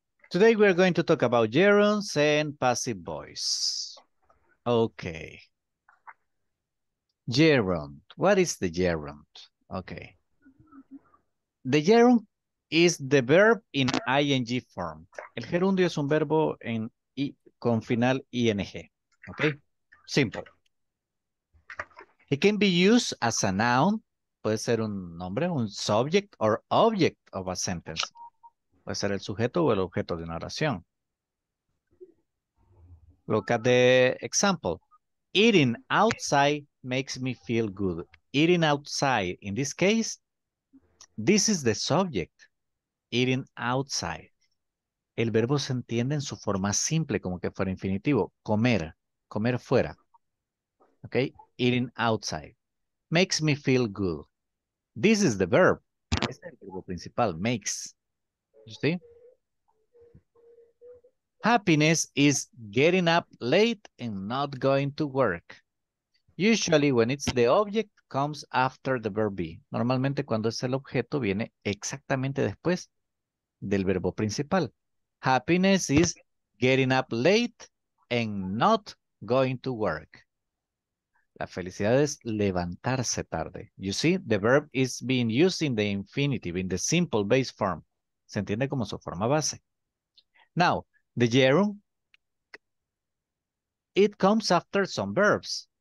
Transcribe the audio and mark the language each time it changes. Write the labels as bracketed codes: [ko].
[en] Today we are going to talk about gerunds and passive voice. Okay. Gerund. What is the gerund? Okay. The gerund is the verb in ing form. [es] El gerundio es un verbo en I, con final ing. [en] Okay. Simple. It can be used as a noun. [es] Puede ser un nombre, un [en] subject or object of a sentence. [es] Puede ser el sujeto o el objeto de una oración. [en] Look at the example. Eating outside makes me feel good. Eating outside, in this case, this is the subject. Eating outside. [es] El verbo se entiende en su forma simple, como que fuera infinitivo. Comer, comer fuera. [en] Okay? Eating outside makes me feel good. This is the verb. [es] Este es el verbo principal, makes. [en] You see? Happiness is getting up late and not going to work. Usually when it's the object comes after the verb be. [es] Normalmente cuando es el objeto viene exactamente después del verbo principal. [en] Happiness is getting up late and not going to work. [es] La felicidad es levantarse tarde. [en] You see? The verb is being used in the infinitive, in the simple base form. [es] Se entiende como su forma base. [en] Now, the gerund, it comes after some verbs.